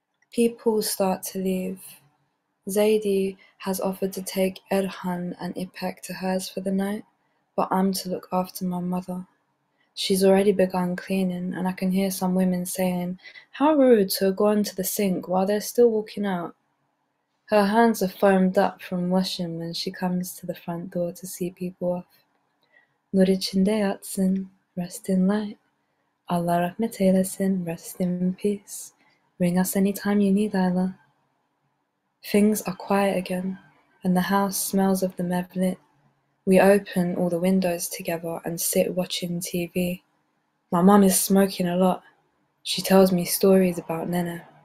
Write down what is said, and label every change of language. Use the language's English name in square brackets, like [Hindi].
[English] People start to leave. Zadie has offered to take Erhan and Ipek to hers for the night, but I'm to look after my mother. She's already begun cleaning, and I can hear some women saying, how rude to have gone to the sink while they're still walking out. Her hands are foamed up from washing when she comes to the front door to see people off. [Turkish] Nur içinde yatsın, rest in light. Allah rahmet eylesin, rest in peace. [English] Ring us anytime you need, Ayla. Things are quiet again, and the house smells of the mevlit. We open all the windows together and sit watching TV. My mum is smoking a lot. She tells me stories about Nene.